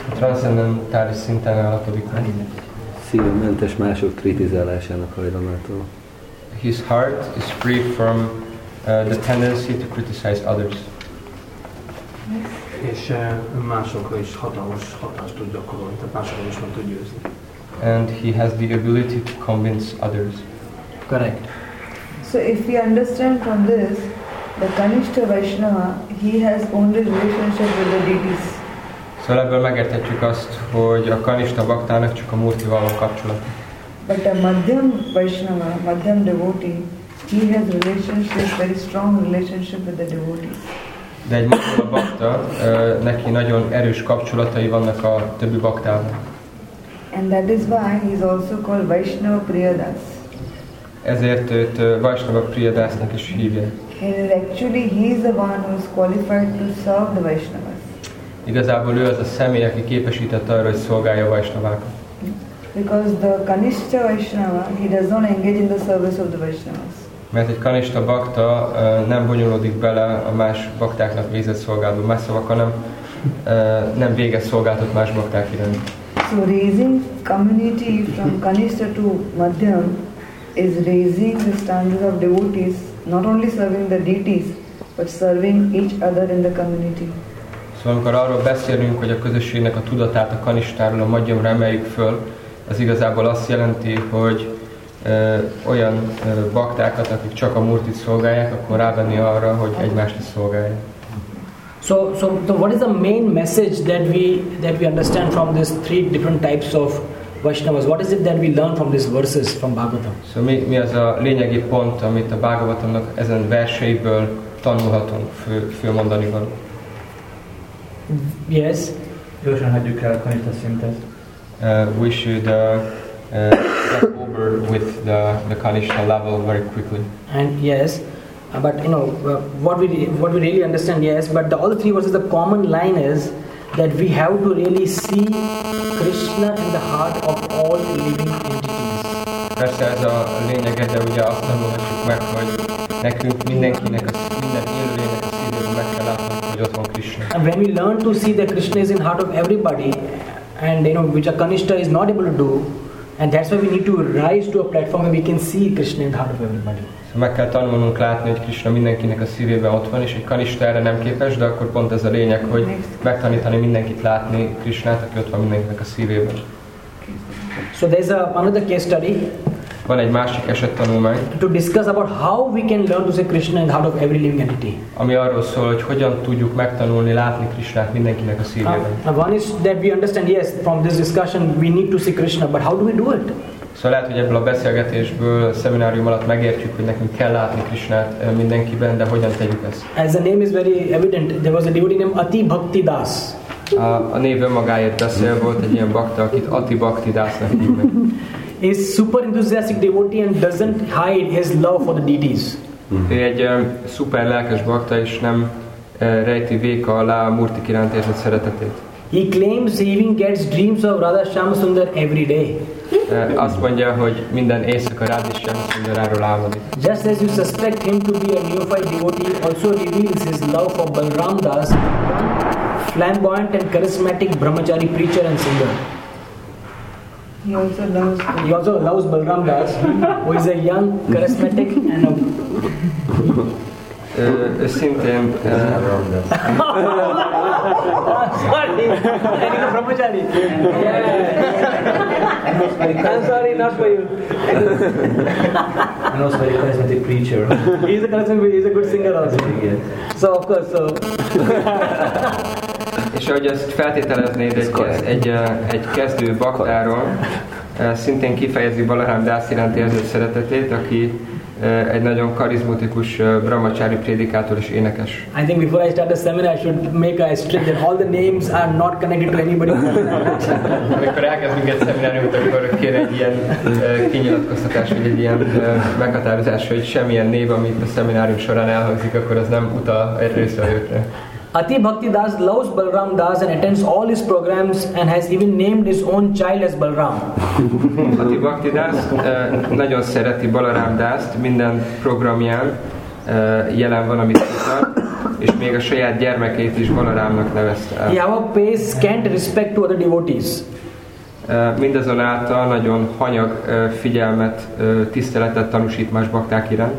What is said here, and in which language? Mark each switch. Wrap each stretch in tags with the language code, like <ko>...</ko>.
<hu>Transcendentális szinten állapodik meg. Szívmentes mások kritizálásának hajlamától.</hu> <en>His heart is free from the tendency to criticize others.</en> <hu>És másokra is hatalmas hatást tud gyakorolni, tehát másokra is meg tud győzni.</hu> <en>And he has the ability to convince others. Correct. So if we understand from this, the Kanishtha Vaishnava, he has only relationship with the deities.</en> <hu>Szóval ebből megérthetjük azt, hogy a Kanishtha Bhaktának csak a Murtival van kapcsolata.</hu> <en>But a Madhyam Vaishnava, Madhyam devotee, he has relationship, very strong relationship with the devotees.</en> <hu>De egy Madhyam Bhakta, neki nagyon erős kapcsolatai vannak a többi baktával.</hu> <en>And that is why he is also called Vaishnava Priyadas.</en> <hu>Ezért őt Vaishnava Priyadasnak is hívják.</hu> <en>And actually he is the one who is qualified to serve the Vaishnavas.</en> <hu>Igazából ő az a személy, aki képesített arra, hogy szolgálja Vaishnavákat.</hu> <en>Because the Kanishtha Vaishnava, he does not engage in the service of the Vaishnavas.</en> <hu>Mert egy Kanishtha Bhakta nem bonyolódik bele a más baktáknak végzett szolgálatba, más szavak, hanem nem végez szolgálatot más bakták iránt.</hu> <en>So raising community from Kanishtha to Madhyam is raising the standard of devotees, not only serving the deities, but serving each other in the community.</en> <hu>Szóval amikor arról beszélünk, hogy a közösségnek a tudatát a Kanishtáról, a Madhyamra emeljük föl, az igazából azt jelenti, hogy olyan baktákat, akik csak a Murtit szolgálják, akkor rávenni arra, hogy egymást is szolgálják.</hu> <en>So what is the main message that we understand from these three different types of Vaishnavas? What is it that we learn from these verses from Bhagavatam?</en> <hu>So mi az a lényegi pont, amit a Bhagavatamnak ezen verseiből tanulhatunk, fölmondani való?</hu> <en>Yes.</en> <hu>Gyorsan hagyjuk el a Kanishtha szintet.</hu> <en>We should step over with the Kanishtha level very quickly. And yes, but you know what we really understand. Yes, but all the three verses, the common line is that we have to really see Krishna in the heart of all living entities.</en> <hu>Persze ez a lényege, de ugye azt tanulhatjuk meg, hogy nekünk mindenkinek, minden élőlénynek a szívében meg kell látni, hogy ott van Krishna.</hu> <en>And when we learn to see that Krishna is in heart of everybody, and you know which a Kanishtha is not able to do, and that's why we need to rise to a platform where we can see Krishna in the heart of everybody.</en> <hu>So meg kell tanulnunk látni, hogy Krishna mindenkinek a szívében ott van, és egy Kanishtha erre nem képes, de akkor pont ez a lényeg, hogy megtanítani mindenkit látni Krishnát, aki ott van mindenkinek a szívében.</hu> <en>So there's another case study.</en> <hu>Van egy másik eset tanulmány.</hu> <en>To discuss about how we can learn to see Krishna in the heart of every living entity.</en> <hu>Ami arról szól, hogy hogyan tudjuk megtanulni látni Krishnát mindenkinek a szívében.</hu> <en>One is that we understand, yes, from this discussion we need to see Krishna, but how do we do it?</en> <hu>Szóval lehet, hogy ebből a beszélgetésből, a szeminárium alatt megértjük, hogy nekünk kell látni Krishnát mindenkiben, de hogyan tegyük ezt?</hu> <en>As the name is very evident, there was a devotee named Ati Bhakti Das.</en> <hu>A név önmagáért beszél, volt egy ilyen bakta, akit Ati Bhakti Dasnak hívnak.</hu> <en>Is super enthusiastic devotee and doesn't hide his love for the deities.</en> <hu>Ő egy szuper lelkes bakta, és nem rejti véka alá a Murti iránt érzett szeretetét.</hu> <en>He claims he even gets dreams of Radha Shyamasundar every day.</en> <hu>Azt mondja, hogy minden éjszaka Radha Shyamasundaráról álmodik.</hu> <en>Just as you suspect him to be a neophyte devotee, also reveals his love for Balram Das, flamboyant and charismatic brahmachari preacher and singer. He also loves Balram Das, who is a young, charismatic and a...</en> <hu>Őszintén...</hu> <en>Sorry! I need a brahmachari! Yeah. I'm sorry, not for you! And also a charismatic preacher. He's a charismatic, he's a good singer also. So of course, so...</en> <hu>És ahogy ezt feltételeznéd egy kezdő baktáról, szintén kifejezi Balaram Das iránt érzett szeretetét, aki egy nagyon karizmatikus brahmachari prédikátor és énekes.</hu> <en>I think before I start the seminar I should make a strict that all the names are not connected to anybody.</en> <hu>Amikor elkezdünk egy szemináriumot, akkor kéne egy ilyen kinyilatkoztatás, vagy egy ilyen meghatározás, hogy semmilyen név, amit a szeminárium során elhangzik, akkor az nem utal egy részre őtre.</hu> <en>Ati Bhakti Das loves Balram Das and attends all his programs and has even named his own child as Balram.</en> <hu>Ati Bhakti Das nagyon szereti Balram Dast, minden programján jelen van, amit tart, és még a saját gyermekét is Balarámnak nevezte.</hu> <en>He ever pays scant respect to other devotees.</en> <hu>Mindazonáltal nagyon hanyag figyelmet, tiszteletet tanúsít más bakták iránt.</hu>